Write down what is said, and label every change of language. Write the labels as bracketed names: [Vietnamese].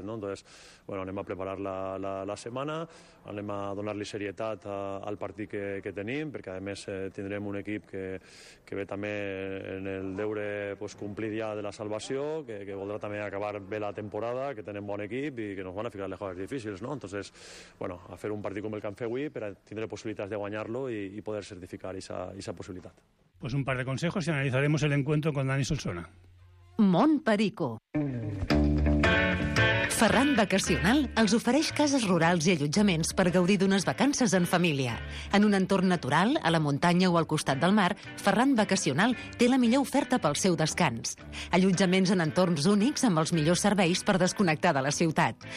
[Catalan] Entonces, anem a preparar la setmana, anem a donar-li serietat al partit que tenim, perquè, a més, tindrem un equip que ve també en el deure pues, complir ja de la salvació, que voldrà també acabar bé la temporada, que tenen bon equip i que ens van a ficar les coses difícils, no? Entonces, bueno, a fer un partit com el que han fet avui per tindre possibilitats de guanyar-lo i poder certificar aquesta possibilitat. [Spanish] Pues un par de consejos y analizaremos el encuentro con Dani Solsona. [Catalan] Mont Perico. Ferran Vacacional els ofereix cases rurals i allotjaments per gaudir d'unes vacances en família. En un entorn natural, a la muntanya o al costat del mar, Ferran Vacacional té la millor oferta pel seu descans. Allotjaments en entorns únics amb els millors serveis per desconnectar de la ciutat.